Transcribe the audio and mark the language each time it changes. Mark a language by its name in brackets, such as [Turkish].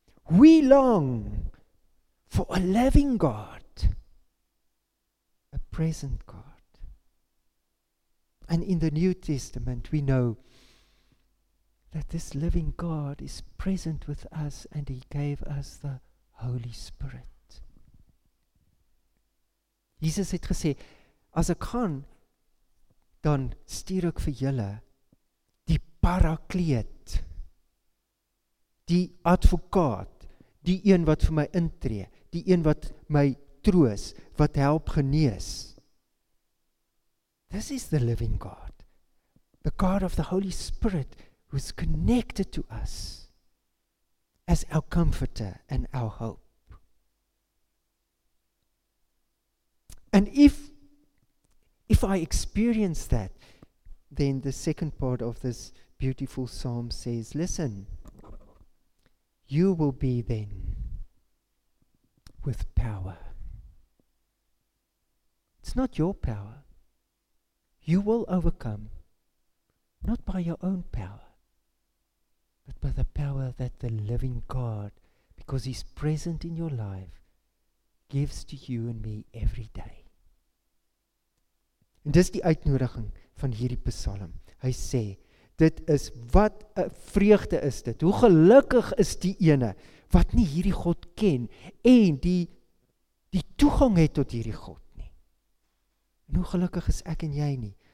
[English] We long for a living God, a present God. And in the New Testament, we know that this living God is present with us, and He gave us the Holy Spirit. [Afrikaans] Jesus het gesê, as ek gaan, dan stuur ek vir julle die parakleet, die advokaat, die een wat vir my intree, die een wat my troos, wat help genees. [English] This is the living God, the God of the Holy Spirit, who is connected to us as our comforter and our hope. And if I experience that, then the second part of this beautiful psalm says, listen, you will be then with power. It's not your power. You will overcome, not by your own power, but by the power that the living God, because He's present in your life, gives to you and me every day. [Afrikaans] En dis die uitnodiging van hierdie psalm. Hy sê, dit is wat 'n vreugde is dit. Hoe gelukkig is die ene wat nie hierdie God ken en die toegang het tot hierdie God nie. En hoe gelukkig is ek en jy nie.